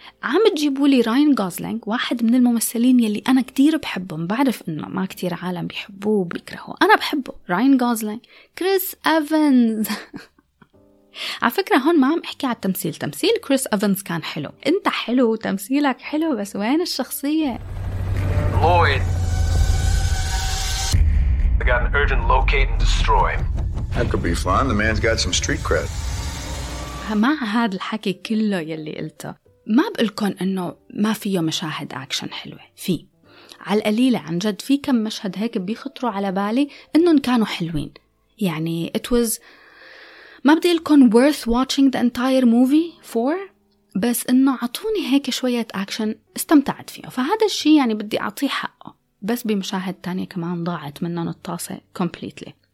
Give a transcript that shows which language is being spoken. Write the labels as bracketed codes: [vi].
[ar] عم تجيبوا لي راين غوزلينج، واحد من الممثلين يلي أنا كتير بحبهم، بعرف إنه ما كتير عالم بيحبوه وبيكرهوه، أنا بحبه راين غوزلينج، كريس أفنز. على فكرة هون ما عم أحكي على التمثيل، تمثيل كريس أفنز كان حلو، أنت حلو وتمثيلك حلو، بس وين الشخصية؟ Lloyd. [en] I got an urgent locate and destroy. That could be fun. The man's got some street cred. [ar] مع هذا الحكي كله يلي قلته، ما بقولكن انه ما فيه مشاهد اكشن حلوه، في على القليله عن جد في كم مشهد هيك بيخطروا على بالي انهم كانوا حلوين، يعني [en] it was [ar] ما بدي لكم [en] worth watching the entire movie for، [ar] بس انه عطوني هيك شويه اكشن استمتعت فيه، فهذا الشيء يعني بدي اعطيه حقه، بس بمشاهد تانية كمان ضاعت منهم الطاسه [en] completely.